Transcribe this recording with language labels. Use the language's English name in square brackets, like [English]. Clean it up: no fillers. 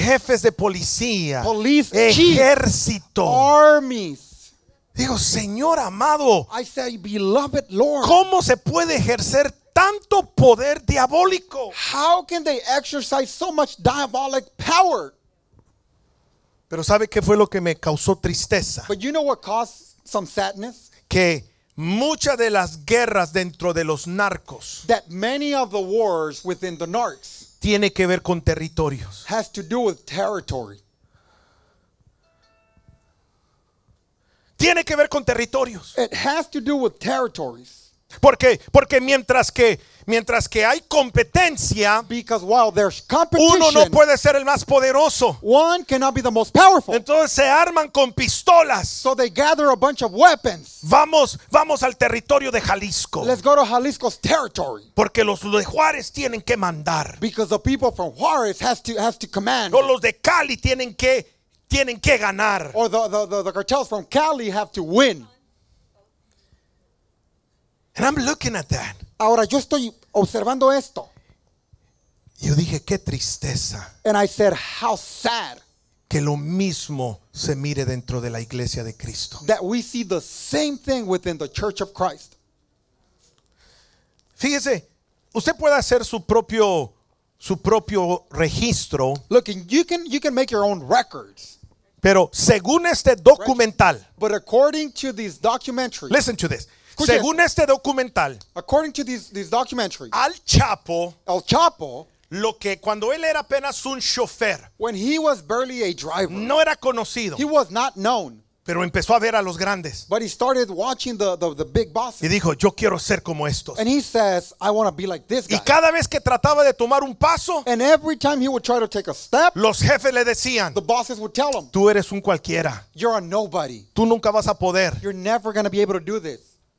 [Spanish] Jefes de policía. [English] Police. [Spanish] Ejército. [English] Chief, armies. [Spanish] Digo, Señor amado. [English] I say, beloved Lord. [Spanish] ¿Cómo se puede ejercer tanto poder diabólico? [English] How can they exercise so much diabolic power? [Spanish] Pero ¿sabe qué fue lo que me causó tristeza? [English] But you know what caused some sadness? [Spanish] Que muchas de las guerras dentro de los narcos. [English] That many of the wars within the narcs. [Spanish] Tiene que ver con territorios. [English] Has to do with territory. [Spanish] tiene que ver con territorios. [English] It has to do with territories. [Spanish] ¿Por qué? Porque mientras que hay competencia, [English] because while there's competition, [Spanish] uno no puede ser el más poderoso. [English] One cannot be the most powerful. [Spanish] Entonces se arman con pistolas. [English] So they gather a bunch of weapons. [Spanish] Vamos al territorio de Jalisco. [English] Let's go to Jalisco's territory. [Spanish] Porque los de Juárez tienen que mandar. [English] Because the people from Juárez has to command. [Spanish] O los de Cali tienen que ganar. [English] Or the cartels from Cali have to win. And I'm looking at that. [Spanish] Ahora yo estoy observando esto. Yo dije, qué tristeza. [English] And I said, how sad. [Spanish] Que lo mismo se mire dentro de la iglesia de Cristo. [English] That we see the same thing within the church of Christ. [Spanish] Fíjese, usted puede hacer su propio registro. [English] Look, you can make your own records. [Spanish] Pero según este documental. [English] But according to this documentary. Listen to this. [Spanish] Según este documental, [English] according to this documentary, [Spanish] Al Chapo, lo que cuando él era apenas un chofer, [English] when he was barely a driver, [Spanish] no era conocido, [English] he was not known, [Spanish] pero empezó a ver a los grandes, [English] but he started watching the big bosses, [Spanish] y dijo, yo quiero ser como estos, [English] and he says, I want to be like this guy. [Spanish] Y cada vez que trataba de tomar un paso, [English] and every time he would try to take a step, [Spanish] los jefes le decían, [English] the bosses would tell him, [Spanish] tú eres un cualquiera, [English] you're a nobody, [Spanish] tú nunca vas a poder, [English] you're never going to be able to do this.